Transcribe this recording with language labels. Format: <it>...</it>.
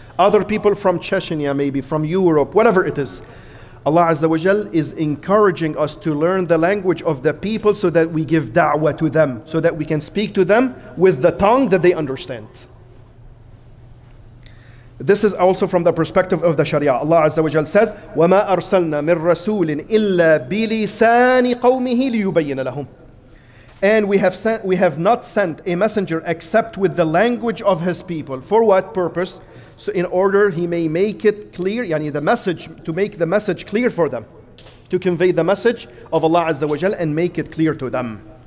<en>Other people from Chechnya, maybe from Europe, whatever it is. Allah Azza wa Jal is encouraging us to learn the language of the people so that we give da'wah to them, so that we can speak to them with the tongue that they understand. This is also from the perspective of the Sharia. Allah Azza wa Jal says,</en> <ar>وَمَا أَرْسَلْنَا مِنْ رَسُولٍ إِلَّا بِلِسَانِ قَوْمِهِ لِيُبَيِّنَ لَهُمْ.</ar> <en>And we have not sent a messenger except with the language of his people. For what purpose? So in order he may make it clear, yani the message, to make the message clear for them. To convey the message of Allah Azza wa Jal and make it clear to them.</en>